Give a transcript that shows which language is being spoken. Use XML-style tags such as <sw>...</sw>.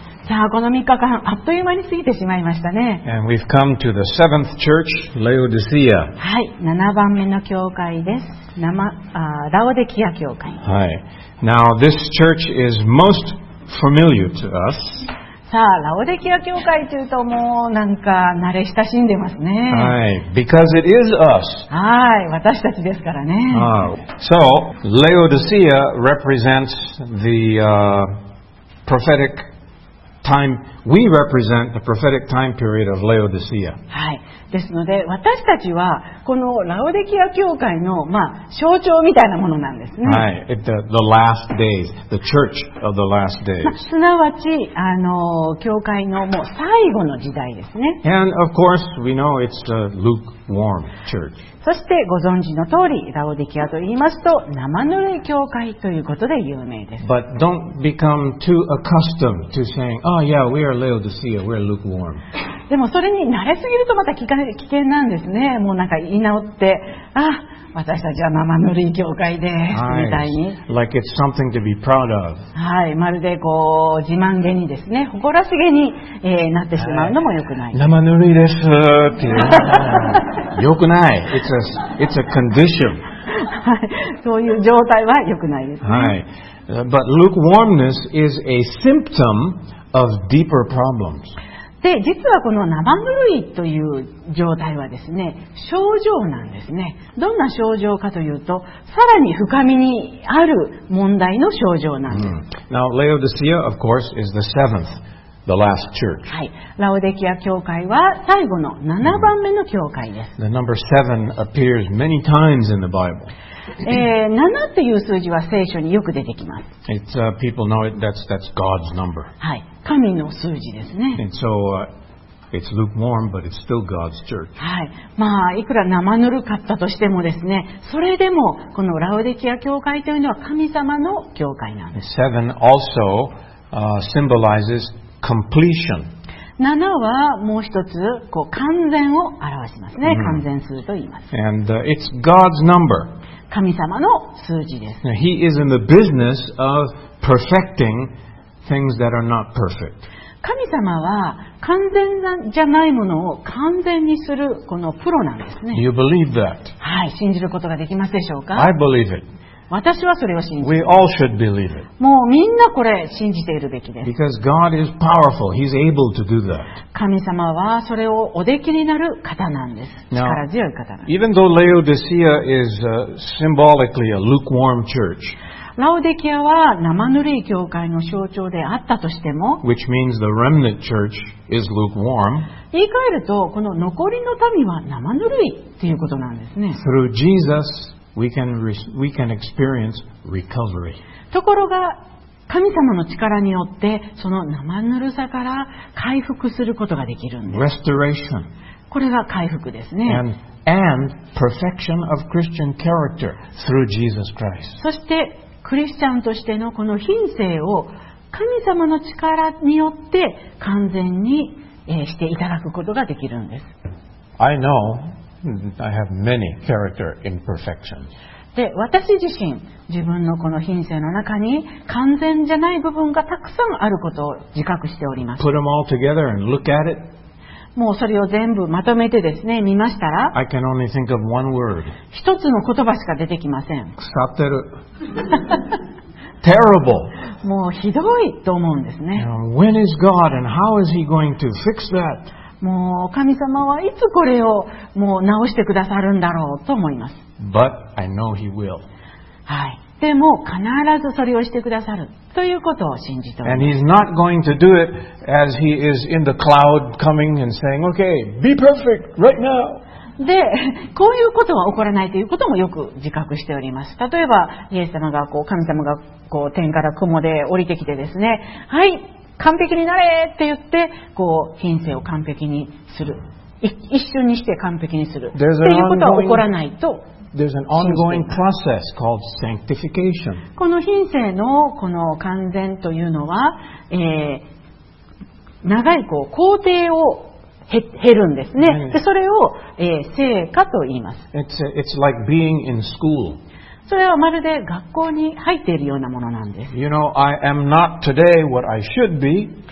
<ja>さあ、この3日間、あっという間に過ぎてしまいましたね。</ja> <en>And we've come to the seventh church, Laodicea.</en> <ja>はい、7番目の教会です。ラオデキア教会。はい。</ja> <en>Now, this church is most familiar to us.</en> <ja>さあ、ラオデキア教会というと、もうなんか慣れ親しんでますね。</ja> <en>はい、because it is us.</en> <ja>はい、私たちですからね。</ja> <en>So, Laodicea represents the, prophetic time. We represent the prophetic time period of Laodicea.</en> <ja>はい。ですので、私たちは、このラオデキア教会の、まあ、象徴みたいなものなんですね。</ja> <en>はい。The last days. The church of the last days.</en> <ja>まあ、すなわち、教会のもう最後の時代ですね。</ja> <en>And of course, we know it's the lukewarm church.</en> <ja>そして、ご存知の通り、ラオデキアと言いますと、生ぬるい教会ということで有名です。</ja> <en>But don't become too accustomed to saying, oh yeah, we are Laodicea, we're lukewarm.</en> <ja>でもそれに慣れすぎるとまた危険なんですね。もうなんか言い直って、ああ、私たちは生ぬるい教会です、みたいに。</ja> <en>Like it's something to be proud of.</en> <ja>はい、まるでこう、自慢げにですね、誇らしげに、なってしまうのも良くない。生ぬるいですっていう。良くない。</ja> <en>It's a condition.</en> <ja>そういう状態は良くないですね。はい。</ja> <en>But lukewarmness is a symptom of deeper problems.</en> <ja>で、実はこの生ぬるいという状態はですね、症状なんですね。どんな症状かというと、さらに深みにある問題の症状なんです。</ja> <en>Now, Laodicea, of course, is the seventh, the last church.</en> <ja>はい。ラオデキア教会は最後の7番目の教会です。</ja> <en>The number seven appears many times in the Bible.</en> <ja>7という数字は聖書によく出てきます。</ja> <en>It's, people know it, that's God's number.</en> <ja>はい。神の数字ですね。</ja> <en>And so, it's lukewarm, but it's still God's church.</en> <ja>はい。まあ、いくら生ぬるかったとしてもですね、それでも、このラオデキア教会というのは神様の教会なんです。</ja> <en>Seven also, symbolizes completion.</en> <ja>七はもう一つ、こう、完全を表しますね。完全数と言います。</ja> <en>And, it's God's number.</en> <ja>神様の数字です。</ja> <en>Now, he is in the business of perfecting things that are not perfect.</en> <ja>神様は完全じゃないものを完全にするこのプロなんですね。</ja> <en>You believe that?</en> <ja>はい、信じることができますでしょうか?</ja> <en>I believe it.</en> <ja>私はそれを信じています。</ja> <en>We all should believe it.</en> <ja>もうみんなこれ信じているべきです。</ja> <en>Because God is powerful. He's able to do that.</en> <ja>神様はそれをおできになる方なんです。</ja> <en>Now,</en> <ja>力強い方なんです。</ja> <en>Even though Laodicea is symbolically a lukewarm church,</en> <ja>ラオデキアは生ぬるい教会の象徴であったとしても</ja> <en>Which means the remnant church is lukewarm.</en> <ja>言い換えるとこの残りの民は生ぬるいということなんですね。</ja> <en>Through Jesus, we can experience recovery.</en> <ja>ところが神様の力によってその生ぬるさから回復することができるんです。</ja> <en>Restoration.</en> <ja>これが回復ですね。</ja> <en>And perfection of Christian character through Jesus Christ.</en> <ja>そしてクリスチャンとしてのこの品性を神様の力によって完全にしていただくことができるんです。</ja> <en>I know I have many character imperfections.</en> <ja>で、私自身、自分のこの品性の中に完全じゃない部分がたくさんあることを自覚しております。</ja> <en>Put them all together and look at it.</en> <ja>もうそれを全部まとめてですね、見ましたら、</ja> <en>I can only think of one word.</en> <ja>一つの言葉しか出てきません。腐ってる。</ja> <en>Terrible.</en> <ja>もうひどいと思うんですね。</ja> <en>When is God and how is he going to fix that?</en> <ja>もう神様はいつこれをもう直してくださるんだろうと思います。</ja> <en>But I know he will.</en> <ja>はい。でも必ずそれをしてくださるということを信じております。</ja> <en>And he's not going to do it as he is in the cloud coming and saying, okay, be perfect right now.</en> <ja>で、こういうことは起こらないということもよく自覚しております。例えば、イエス様がこう、神様がこう、天から雲で降りてきてですね、はい、完璧になれって言って、こう、品性を完璧にする。一緒にして完璧にする。っていうことは起こらないと。</ja> <en>There's an ongoing process called sanctification.</en> <ja>この品性のこの完全というのは、長いこう工程を経るんですね。でそれを、成果と言います。</ja> <en>It's like being in school.</en> <ja>それはまるで学校に入っているようなものなんです。</ja> <en>You know, I am not today what I should be.</en>